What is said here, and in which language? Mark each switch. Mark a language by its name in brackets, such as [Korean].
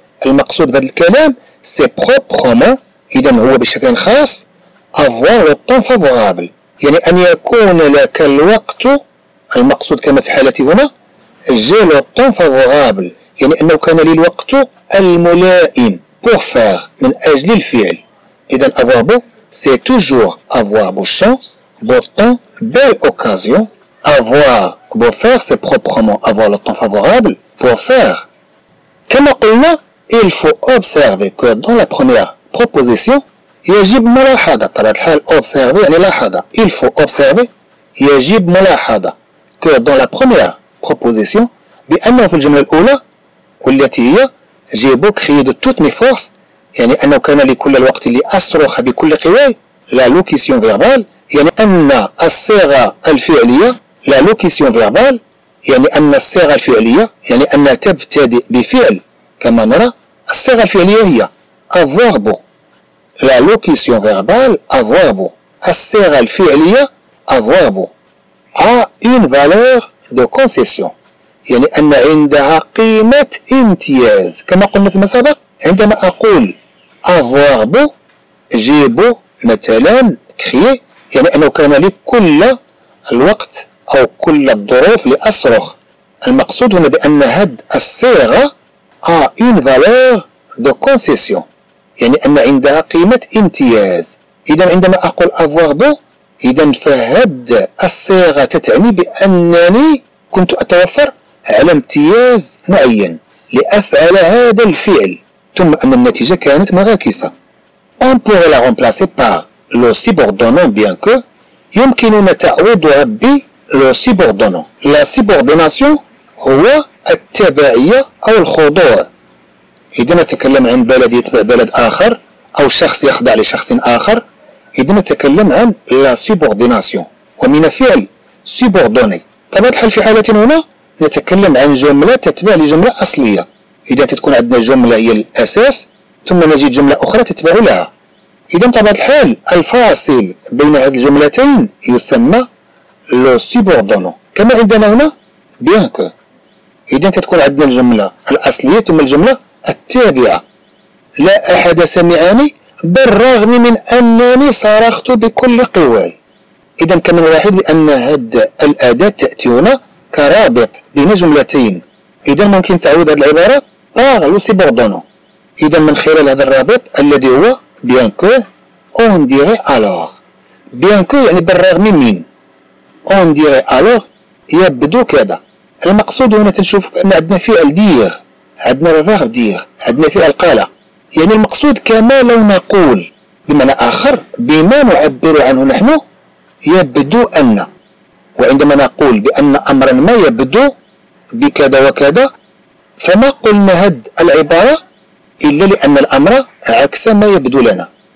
[Arabic] المقصود بهذا الكلام [French] c'est proprement، [Arabic] إذا هو بشكل خاص [French] avoir le temps favorable [Arabic] يعني أن يكون لك الوقت، المقصود كما في حالتي هنا [French] j'ai le temps favorable [Arabic] يعني أنه كان لي الوقت الملائم. [French] pour faire [Arabic] من أجل الفعل. إذا [French] avoir beau c'est toujours avoir beau champ beau temps belle occasion. avoir beau faire c'est proprement avoir le temps favorable. pour faire [Arabic] كما قلنا [French] il faut observer que dans la première proposition [Arabic] يجب ملاحظة. طبعا الحال observer يعني لاحظة. [French] il faut observer [Arabic] يجب ملاحظة [French] que dans la première proposition [Arabic] بأنه في الجملة الأولى والتي هي [French] j'ai beau crier de toutes mes forces [Arabic] يعني أنه كان لي كل الوقت اللي أصرخ بكل قواي. [French] la locution verbale [Arabic] يعني أن الصيغة الفعلية la locution verbale يعني أن الصيغة الفعلية يعني أن تبتدي بفعل. كما نرى الصيغة الفعلية هي avoir beau. [French] la locution verbale avoir beau. [Arabic] الصيغة الفعلية [French] avoir beau a une valeur de concession [Arabic] يعني أن عندها قيمة امتياز. كما قلنا فيما سبق عندما أقول avoir beau [French] j'ai beau [Arabic] مثلا crier يعني أنه كان لي كل الوقت أو كل الظروف لأصرخ. المقصود هنا بأن هد الصيغة [French] a une valeur de concession [Arabic] يعني أن عندها قيمة امتياز. إذا عندما أقول avoir beau إذا فهد الصيغة تتعني بأنني كنت أتوفر على امتياز معين لأفعل هذا الفعل، ثم أن النتيجة كانت مغاكسة. [French] On pourrait la remplacer par le subordonnant bien que [Arabic] يمكننا تعويضها ب [French] le subordonnant. [Arabic] La subordination هو التبعية أو الخضوع. إذا نتكلم عن بلد يتبع بلد آخر أو شخص يخضع لشخص آخر، إذا نتكلم عن لا سوبورديناسيون ومن فعل سوبوردوني. طبعا الحال في حالة هنا نتكلم عن جملة تتبع لجملة أصلية. إذا تكون عندنا جملة هي الأساس ثم نجد جملة أخرى تتبع لها، إذا طبعا الحال الفاصل بين هذه الجملتين يسمى لو سوبوردونو. كما عندنا هنا بيان كو، إذا تكون عندنا الجملة الأصلية ثم الجملة التابعة. لا أحد سمعني بالرغم من أنني صرخت بكل قواي. إذا كما نلاحظ بأن هذه الأداة تأتي هنا كرابط بين جملتين. إذا ممكن تعود هذه العبارة [French] par le subordonnant. [Arabic] إذا من خلال هذا الرابط الذي هو [French] bien que on dirait alors. bien que [Arabic] يعني بالرغم من. [French] on dirait alors [Arabic] يبدو كذا. المقصود هنا تنشوف أن عندنا فعل دير، عندنا verbe dire، عندنا فعل قال، يعني المقصود كما لو نقول. بمعنى آخر بما نعبر عنه نحن يبدو أن، وعندما نقول بأن أمرا ما يبدو بكذا وكذا فما قلنا هد العبارة إلا لأن الأمر عكس ما يبدو لنا.